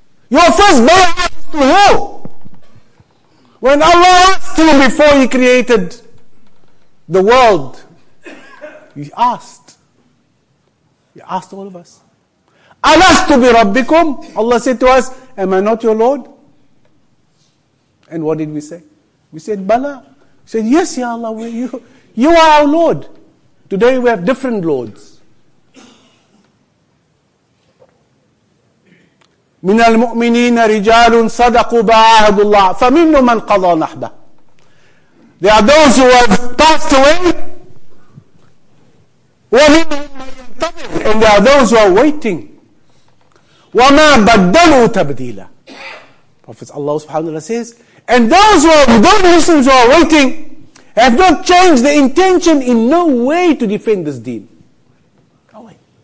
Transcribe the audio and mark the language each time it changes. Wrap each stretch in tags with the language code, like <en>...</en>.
<en>Your first bay'ah is to who? When Allah asked him before he created the world, he asked all of us,</en> <ar>Alastu bi Rabbikum?</ar> <en>Allah said to us, am I not your Lord? And what did we say? We said, Bala. He said, yes, Ya Allah, you are our Lord. Today we have different Lords.</en> <ar>من المؤمنين رجال صدقوا بعهد الله فمنهم من قضى نحبه.</ar> <en>There are those who have passed away.</en> <ar>ومنهم من ينتظر</ar> <en>there are those who are waiting.</en> <ar>وَمَا بَدَّلُوا تَبْدِيلًا</ar> <en>Prophet Allah subhanahu wa ta'ala says, and those who are, those Muslims who are waiting, have not changed the intention in no way to defend this deen. No way.</en>